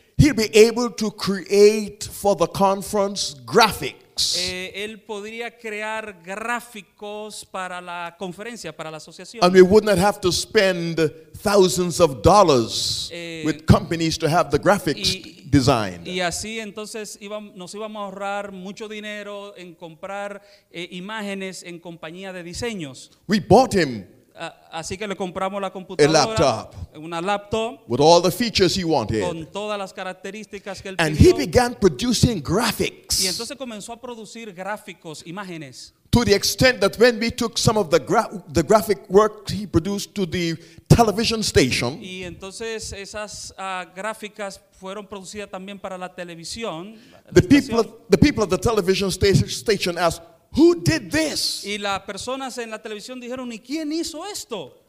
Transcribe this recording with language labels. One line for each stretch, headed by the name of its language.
English: He'll be able to create for the conference graphics.
Spanish: Él podría crear gráficos para la conferencia, para la asociación.
English: And we would not have to spend thousands of dollars with companies to have the graphics designed.
Spanish: Y así entonces nos íbamos a ahorrar mucho dinero en comprar imágenes en compañía de diseños.
English: We bought him.
Spanish: Así que le compramos la computadora,
English: a laptop,
Spanish: una laptop,
English: with all the features he wanted,
Spanish: con todas las características que él
English: and
Spanish: pidió.
English: He began producing graphics.
Spanish: Y entonces comenzó a producir gráficos, imágenes.
English: To the extent that when we took some of the graphic work he produced to the television station.
Spanish: Y entonces esas gráficas fueron producidas también para la televisión.
English: The people of the television station asked, "Who did this?"
Spanish: Y las personas en la televisión dijeron, "¿Y quién hizo esto?"